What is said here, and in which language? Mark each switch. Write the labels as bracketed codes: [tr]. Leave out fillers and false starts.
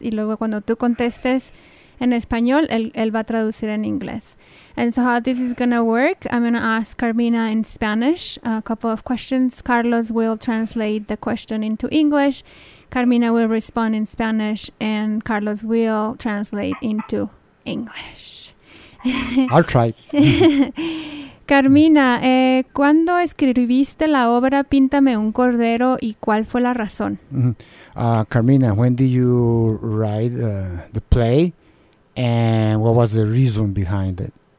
[es] Y luego cuando tú contestes en español, él va a traducir en inglés. [en] And so how this is going to work, I'm going to ask Carmina in Spanish a couple of questions. Carlos will translate the question into English. Carmina will respond in Spanish. And Carlos will translate into English. I'll try. [es] Carmina, ¿cuándo escribiste la obra Píntame un Cordero y cuál fue la razón? [en] Carmina, when did you write the play and what was the reason behind it?